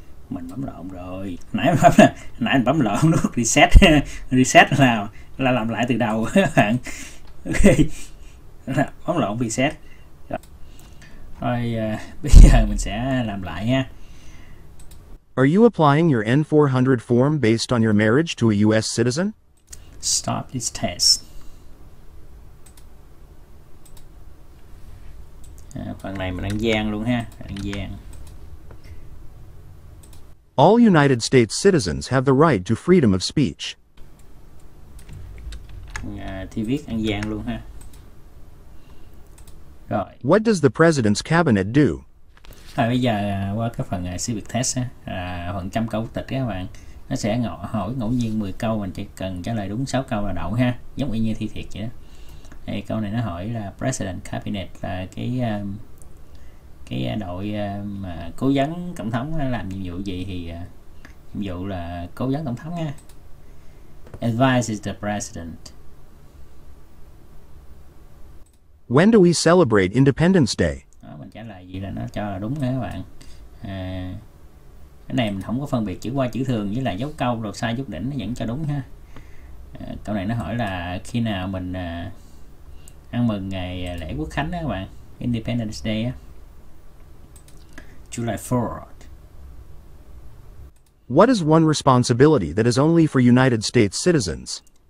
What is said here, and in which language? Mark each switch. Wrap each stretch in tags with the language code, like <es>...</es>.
<vi>Mình bấm lộn rồi, nãy mình bấm lộn nút reset reset là làm lại từ đầu các bạn. Okay. Bấm lộn reset rồi, bây giờ mình sẽ làm lại nha.</vi> <en>Are you applying your N-400 form based on your marriage to a U.S. citizen? Stop this test.</en> <vi>Phần này mình đang gian luôn ha, đang gian.</vi> <en>All United States citizens have the right to freedom of speech.</en> <vi>Thì viết ăn gian luôn ha. Rồi.</vi> <en>What does the president's cabinet do?</en> <vi>Thôi bây giờ qua cái phần civic test á, phần trăm câu tịch các bạn. Nó sẽ hỏi ngẫu nhiên 10 câu, mình chỉ cần trả lời đúng 6 câu là đậu ha, giống y như thi thiệt vậy đó. Thì câu này nó hỏi là President Cabinet là cái đội mà cố vấn tổng thống làm nhiệm vụ gì, thì nhiệm vụ là cố vấn tổng thống nha.</vi> <en>Advises the President. When do we celebrate Independence Day?</en> <vi>Đó, mình trả lời gì là nó cho là đúng đó các bạn. Cái này mình không có phân biệt chữ qua chữ thường với là dấu câu, rồi sai dấu đỉnh nó vẫn cho đúng ha. Câu này nó hỏi là khi nào mình ăn mừng ngày lễ quốc khánh đó các bạn, Independence Day á, July 4.</vi> <en>What is one responsibility that is only for United States citizens?</en>